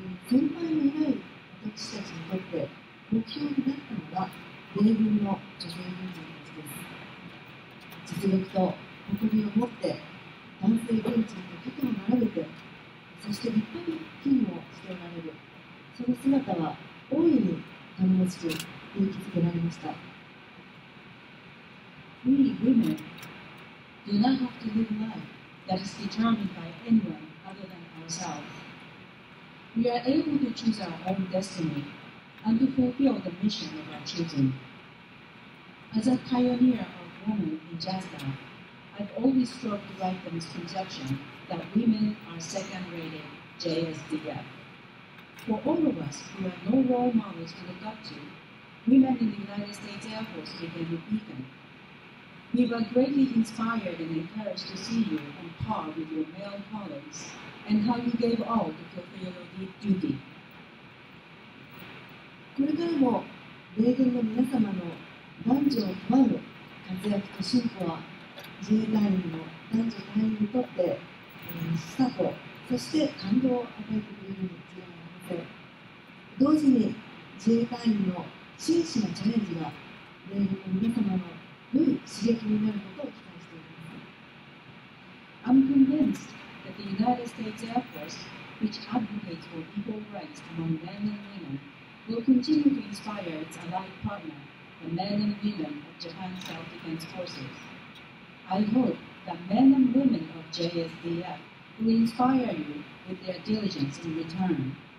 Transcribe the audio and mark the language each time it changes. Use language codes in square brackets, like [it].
[ja] 先輩のいない私たちにとって目標になったのが、米軍の女性軍人たちです。実力と誇りを持って男性軍人と肩を並べて、そして立派に勤務をしておられる、その姿は大いに頼もしく勇気づけられました。 [en] We women do not have to live a life that is determined by anyone other than ourselves. We are able to choose our own destinyand to fulfill the mission of our children. As a pioneer of women in JASDA, I've always struggled to write the misconception that women are second-rated JSDF. For all of us who have no role models to look up to, women in the United States Air Force became a beacon. We were greatly inspired and encouraged to see you on par with your male colleagues and how you gave all to fulfill your duty. [ja] これからも米軍の皆様の男女を問わぬ活躍と進歩は、自衛隊員の男女隊員にとって、スタート、そして感動を与えてくれるに違いありません。同時に自衛隊員の真摯なチャレンジが、米軍の皆様の良い刺激になることを期待しております。 [en] I'm convinced that the United States Air Force, which advocates for equal rights among men and women,will continue to inspire its allied partner, the men and women of Japan's self-defense forces. I hope that men and women of JSDF will inspire you with their diligence in return.